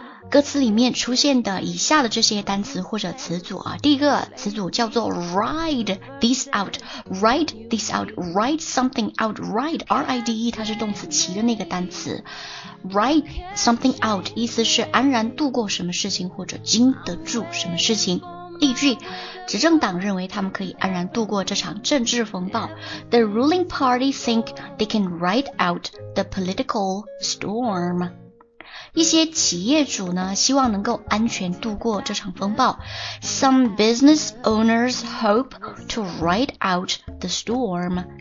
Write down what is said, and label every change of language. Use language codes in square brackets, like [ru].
[zh] 歌词里面出现的以下的这些单词或者词组啊，第一个词组叫做 ride something out, ride, R-I-D-E， 它是动词骑的那个单词。 Ride something out 意思是安然度过什么事情或者经得住什么事情。例句，执政党认为他们可以安然度过这场政治风暴。 [en] The ruling party think they can ride out the political storm. [zh] 一些企业主呢，希望能够安全度过这场风暴。 [en] Some business owners hope to ride out the storm.